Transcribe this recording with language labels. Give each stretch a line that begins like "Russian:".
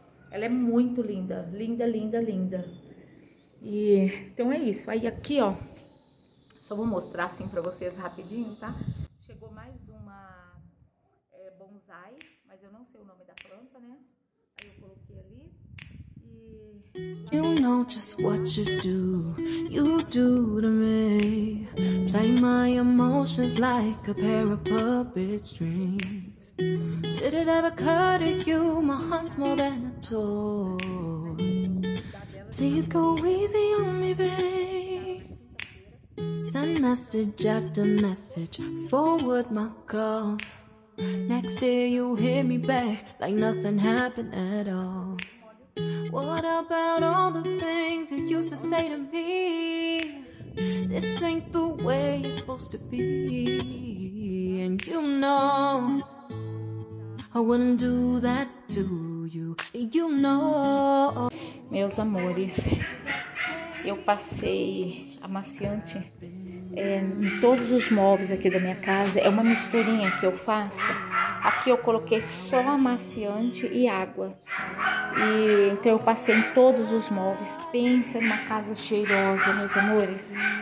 Portuguese: Ela é muito linda, linda, linda, linda. E então é isso, aí aqui ó, só vou mostrar assim pra vocês rapidinho, tá? Chegou mais uma bonsai, mas eu não sei o nome da planta, né? Aí eu coloquei ali.
English: You know just what you do to me. Play my emotions like a pair of puppet strings. Did it ever occur to you, my heart's more than a toy. Please go easy on me, baby. Send message after message, forward my call. Next day you'll hear me back like nothing happened at all. What about all the things you used to say to me? This ain't the way it's supposed to be. And you know I wouldn't do that to you. You know.
Portuguese: Meus amores, eu passei amaciante em todos os móveis aqui da minha casa. É uma misturinha que eu faço. Aqui eu coloquei só amaciante e água. E então eu passei em todos os móveis. Pensa numa casa cheirosa, meus amores.